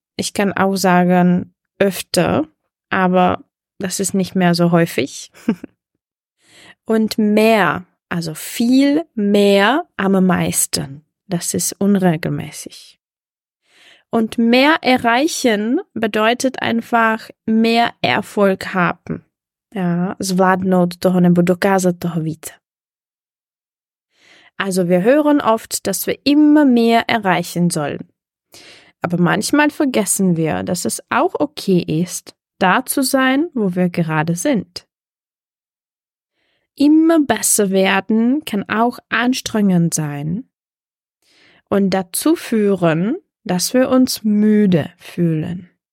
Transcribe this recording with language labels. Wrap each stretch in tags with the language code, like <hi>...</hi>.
<de>Ich kann auch sagen öfter, aber das ist nicht mehr so häufig. Und mehr, also viel mehr am meisten. Das ist unregelmäßig. Und mehr erreichen bedeutet einfach mehr Erfolg haben.</de> <cs>Ja, zvládnout toho nebo dokázat toho více.</cs> <de>Also wir hören oft, dass wir immer mehr erreichen sollen. Aber manchmal vergessen wir, dass es auch okay ist, da zu sein, wo wir gerade sind. Immer besser werden kann auch anstrengend sein und dazu führen, dass wir uns müde fühlen.</de>